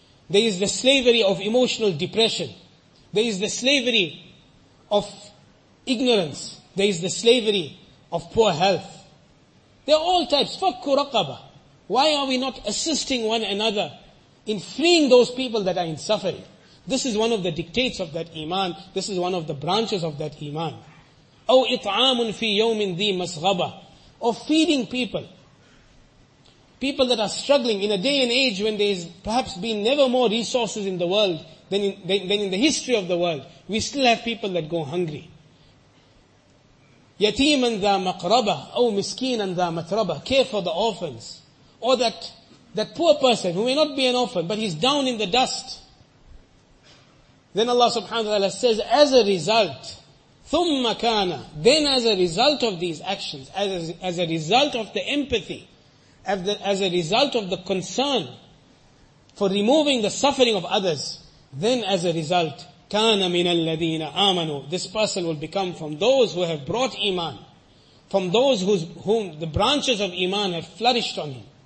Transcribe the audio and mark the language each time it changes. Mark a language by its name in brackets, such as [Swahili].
[English] There is the slavery of emotional depression. There is the slavery of ignorance. There is the slavery of poor health. They are all types. [Arabic] فَكُّ رَقَبَ [English] Why are we not assisting one another in freeing those people that are in suffering? This is one of the dictates of that iman. This is one of the branches of that iman. [Arabic] أَوْ إِطْعَامٌ فِي يَوْمٍ ذِي مَسْغَبَةٍ [English] Of feeding people. People that are struggling in a day and age when there is perhaps been never more resources in the world than in the history of the world. We still have people that go hungry. [Arabic] يَتِيمًا ذَا مَقْرَبَةً أَوْ مِسْكِينًا ذَا مَتْرَبَةً [English] Care for the orphans. Or that poor person who may not be an orphan, but he's down in the dust. Then Allah subhanahu wa ta'ala says, as a result, [Arabic] ثُمَّ كَانَ [English] Then as a result of these actions, as a result of the empathy, as a result of the concern for removing the suffering of others, then as a result, [Arabic] كَانَ مِنَ الَّذِينَ آمَنُوا [English] This person will become from those who have brought iman, from those whom the branches of iman have flourished on him.